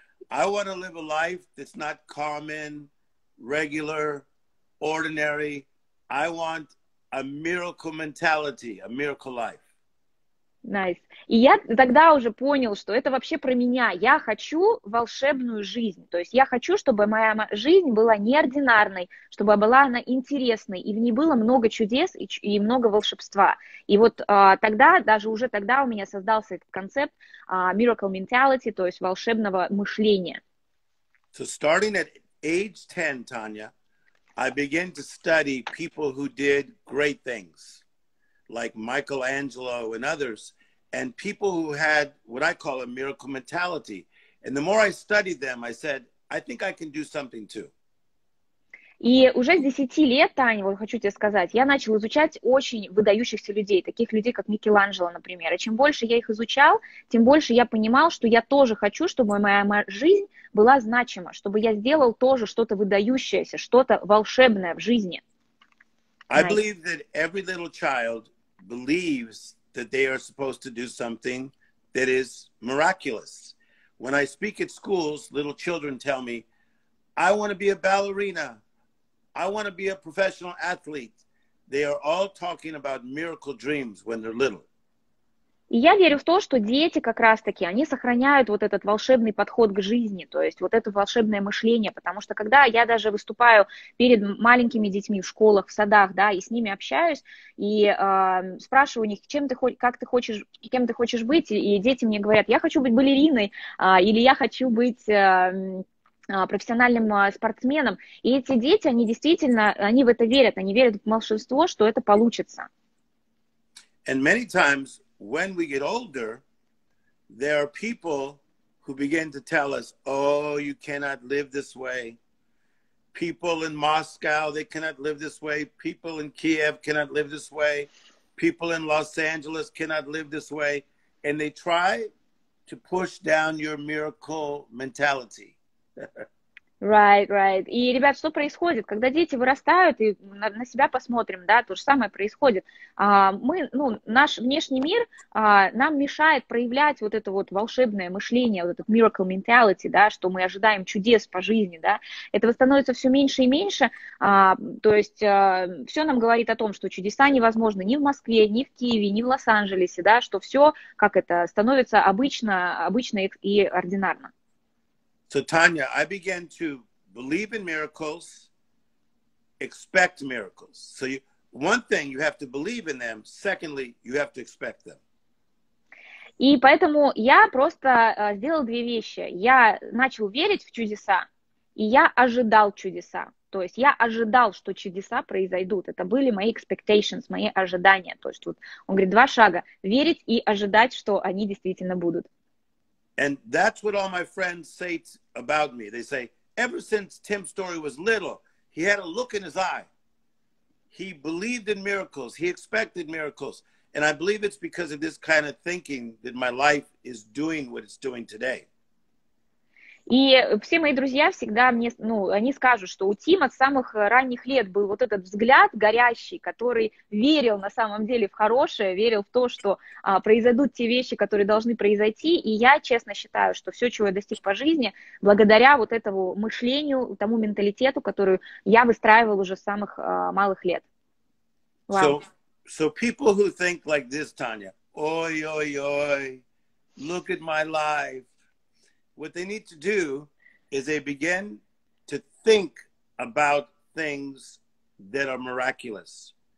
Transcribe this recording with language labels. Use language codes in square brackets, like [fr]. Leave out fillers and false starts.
[en] I want to live a life that's not common, regular, ordinary. I want a miracle mentality, a miracle life. Nice. [ru] И я тогда уже понял, что это вообще про меня. Я хочу волшебную жизнь. То есть я хочу, чтобы моя жизнь была неординарной, чтобы была она интересной, и в ней было много чудес и много волшебства. И вот тогда, даже уже тогда у меня создался этот концепт miracle mentality, то есть волшебного мышления. [en] So starting at age 10, Tanya, I began to study people who did great things, like Michelangelo and others, and people who had what I call a miracle mentality. And the more I studied them, I said, I think I can do something too. [ru] И уже с 10 лет, Таня, вот хочу тебе сказать, я начал изучать очень выдающихся людей, таких людей, как Микеланджело, например. И чем больше я их изучал, тем больше я понимал, что я тоже хочу, чтобы моя жизнь была значима, чтобы я сделал тоже что-то выдающееся, что-то волшебное в жизни. [en] I believe that every little child believes that they are supposed to do something that is miraculous. When I speak at schools, little children tell me, I want to be a ballerina. I want to be a professional athlete. They are all talking about miracle dreams when they're little. [ru] И я верю в то, что дети как раз-таки, они сохраняют вот этот волшебный подход к жизни, то есть вот это волшебное мышление, потому что когда я даже выступаю перед маленькими детьми в школах, в садах, да, и с ними общаюсь, и спрашиваю у них, чем ты, как ты хочешь, кем ты хочешь быть, и дети мне говорят, я хочу быть балериной, или я хочу быть профессиональным спортсменом, и эти дети, они действительно, они в это верят, они верят в волшебство, что это получится. [en] And many times when we get older, there are people who begin to tell us, oh, you cannot live this way. People in Moscow, they cannot live this way. People in Kiev cannot live this way. People in Los Angeles cannot live this way. And they try to push down your miracle mentality. Right, right. [ru] И, ребят, что происходит? Когда дети вырастают, и на себя посмотрим, да, то же самое происходит. Мы, ну, наш внешний мир нам мешает проявлять вот это вот волшебное мышление, вот этот miracle mentality, да, что мы ожидаем чудес по жизни, да. Этого становится все меньше и меньше. То есть все нам говорит о том, что чудеса невозможны ни в Москве, ни в Киеве, ни в Лос-Анджелесе, да, что все, как это, становится обычно, обычно и ординарно. [en] So, Tanya, I began to believe in miracles, expect miracles. So, you, one thing, you have to believe in them. Secondly, you have to expect them. [ru] И поэтому я просто сделал две вещи. Я начал верить в чудеса, и я ожидал чудеса. То есть я ожидал, что чудеса произойдут. Это были мои expectations, мои ожидания. То есть вот он говорит, два шага. Верить и ожидать, что они действительно будут. [en] And that's what all my friends say about me. They say, ever since Tim Story was little, he had a look in his eye. He believed in miracles. He expected miracles. And I believe it's because of this kind of thinking that my life is doing what it's doing today. [ru] И все мои друзья всегда мне, ну, они скажут, что у Тима с самых ранних лет был вот этот взгляд горящий, который верил на самом деле в хорошее, верил в то, что произойдут те вещи, которые должны произойти. И я честно считаю, что все, чего я достиг по жизни, благодаря вот этому мышлению, тому менталитету, который я выстраивал уже с самых малых лет. [en] Wow. So people who think like this, Tanya, [ru] ой-ой-ой, [en] look at my life. What they need to do is they begin to think about things that are miraculous.